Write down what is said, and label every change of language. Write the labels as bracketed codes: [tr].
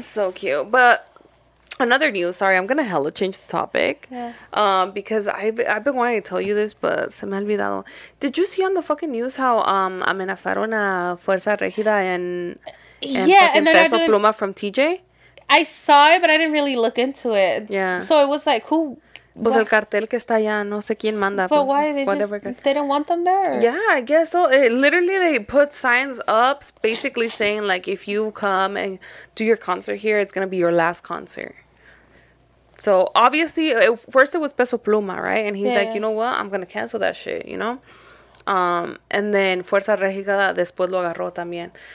[en] So cute. But another news, sorry, I'm gonna hella change the topic. Yeah. Because I've been wanting to tell you this, but [es] se me ha olvidado. [en] Did you see on the fucking news how [es] amenazaron a [en] Fuerza Regida and Peso Pluma from TJ? I saw it, but I didn't really look into it. Yeah. So it was like, who? [es] Pues el cartel que está allá, no sé quién manda. [en] But why? They didn't want them there? Yeah, I guess so. Literally, they put signs up basically saying, like, if you come and do your concert here, it's going to be your last concert. So, obviously, first it was Peso Pluma, right? And he's like, you know what? I'm going to cancel that shit, you know? And then Fuerza Regida [es] después lo agarró también.